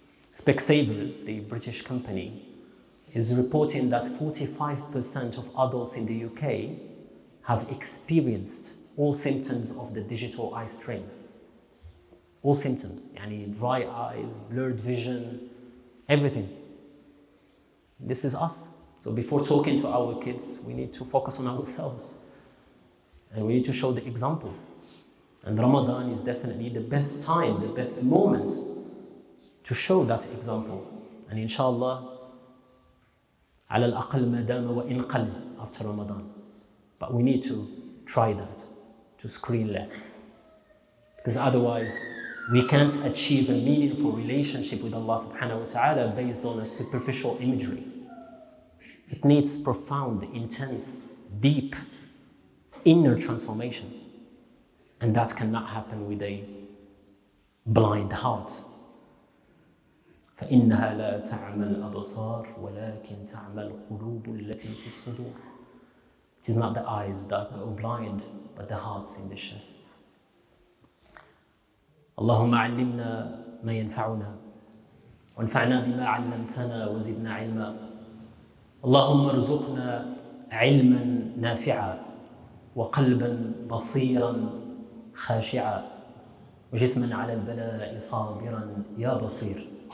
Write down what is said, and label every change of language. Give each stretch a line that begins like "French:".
English: Specsavers, the British company, is reporting that 45% of adults in the UK have experienced all symptoms of the digital eye strain. All symptoms, yani dry eyes, blurred vision, everything. This is us. So before talking to our kids, we need to focus on ourselves. And we need to show the example. And Ramadan is definitely the best time, the best moment to show that example. And inshallah,
Arabic: عَلَى الْأَقَلْ مَدَامَ وَإِنْ قَلْ
English: after Ramadan. But we need to try that, to screen less. Because otherwise, we can't achieve a meaningful relationship with Allah subhanahu wa ta'ala based on a superficial imagery. It needs profound, intense, deep, inner transformation. And that cannot happen with a blind heart.
Arabic: فَإِنَّهَا لَا تَعْمَى الْأَبْصَارِ وَلَكِنْ تَعْمَى الْقُلُوبُ الَّتِي فِي الصُّدُورِ.
English: It is not the eyes that go blind, but the hearts in the chest.
Arabic: اللهم علمنا ما ينفعنا وانفعنا بما علمتنا وزدنا علما اللهم ارزقنا علما نافعا وقلبا بصيرا خاشعا وجسما على البلاء صابرا يا بصير